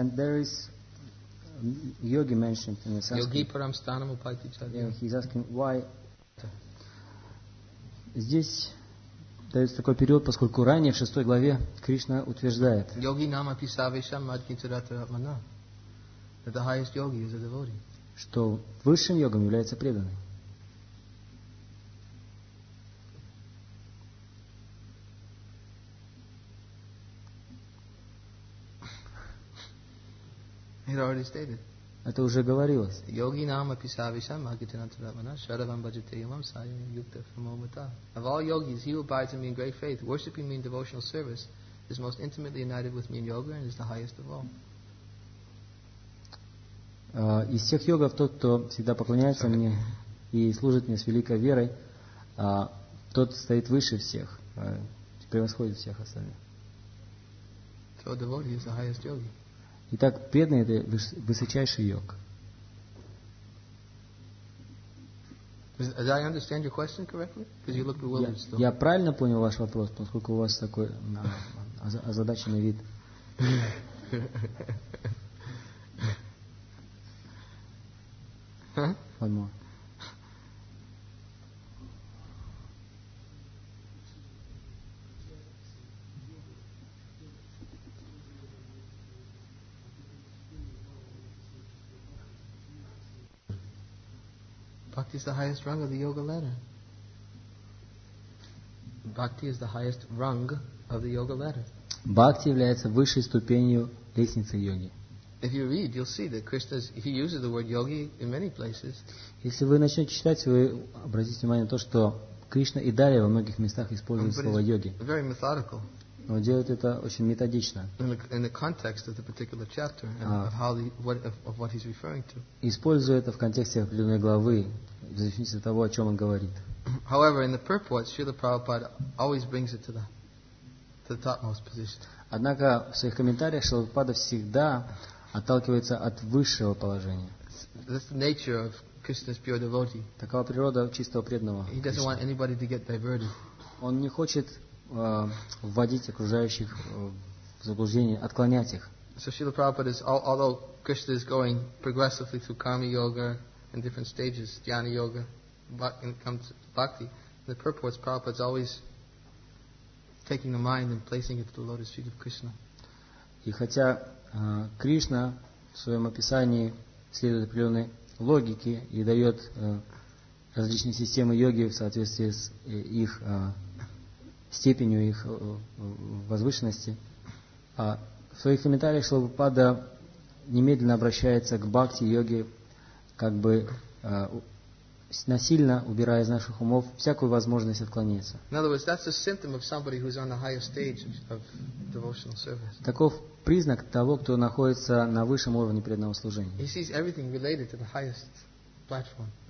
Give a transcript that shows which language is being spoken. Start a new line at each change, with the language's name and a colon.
English: And there is Yogi mentioned in the sense.
Sanskrit: Yogi Param Stanam Upaiti Chaiva.
English: Yeah, he's asking why.
Russian: Здесь дается такой период, поскольку ранее в 6 главе Кришна утверждает.
Sanskrit: Йоги нама писавишам мадхитирата атмана.
English: That the highest yogi is a devotee.
Russian: Что высшим йогом является преданный.
English: It already stated.
Russian: Это уже говорилось.
Sanskrit: Йоги нама писавишам мадхитинатрамана шаравам баджате ямам сайям юкта фамомата.
English: Of all yogis, he who abides in me in great faith, worshipping me in devotional service, is most intimately united with me in yoga and is the highest of all.
Russian: Из всех йогов тот, кто всегда поклоняется мне и служит мне с великой верой, тот стоит выше всех, превосходит всех остальных.
English: So devotee is the highest yogi.
Russian: Итак, преданный — это высочайший йог.
English: Did I understand your question correctly? Because you look bewildered still.
Russian: Я правильно понял ваш вопрос, поскольку у вас такой озадаченный вид.
English: One more. Bhakti is the highest rung of the yoga ladder. Bhakti is the highest rung of the yoga ladder.
Russian: Bhakti является высшей ступенью лестницы йоги.
English: If you read, you'll see that Krishna he uses the word yogi in many places.
Russian: Если вы начнете читать, вы обратите внимание на то, что Кришна и далее во многих местах использует слово йоги.
English: Very methodical.
Russian: Но делает это очень методично.
English: In the context of the particular chapter and of what he's referring to.
Russian: Используя это в контексте определенной главы, в зависимости от того, о чем он говорит.
English: However, in the purport, Srila Prabhupada always brings it to the topmost position.
Russian: Однако в своих комментариях Шрила Прабхупада всегда отталкивается от высшего положения.
English: That's the nature of Krishna's pure devotee.
Russian: Такова природа чистого преданного.
English: He doesn't want anybody to get diverted.
Russian: Он не хочет вводить окружающих в заблуждение, отклонять их.
English: So Srila Prabhupada, although Krishna is going progressively through Karma Yoga and different stages, Jnana Yoga, and comes to Bhakti, the purport is Prabhupada is always taking the mind and placing it to the lotus feet of Krishna.
Russian: И хотя Кришна в своем описании следует определенной логике и дает различные системы йоги в соответствии с их степенью их возвышенности. В своих комментариях Шрила Прабхупада немедленно обращается к бхакти-йоге, как бы насильно убирая из наших умов всякую возможность отклониться.
English: In other words, that's a symptom of somebody who's on the highest stage of devotional service.
Russian: Таков признак того, кто находится на высшем уровне преданного служения.
English: He sees everything related to the highest platform.